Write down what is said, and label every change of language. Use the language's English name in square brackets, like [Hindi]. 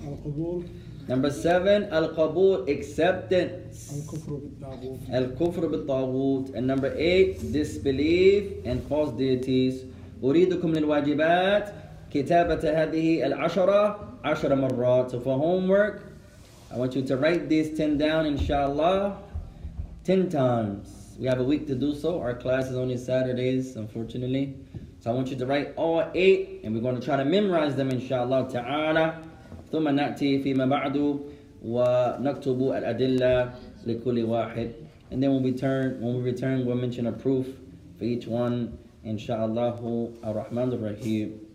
[Arabic] Al-qubool. [English] Number seven, al-qubool, acceptance. [Arabic] Al-kufru bit-taghut. Al-kufru bit-taghut. [English] And number eight, disbelief in false deities. [Arabic] أريدكم للواجبات كتابة هذه العشرة عشر مرات. [English] So for homework, I want you to write these 10 down, inshallah, 10 times. We have a week to do so. Our class is only Saturdays, unfortunately. So I want you to write all eight, and we're going to try to memorize them, inshallah تعالى. [Arabic] ثم نأتي فيما بعد ونكتب الأدلة لكل واحد. [English] And then when we return, we'll mention a proof for each one. [Arabic] إن شاء الله الرحمن الرحيم.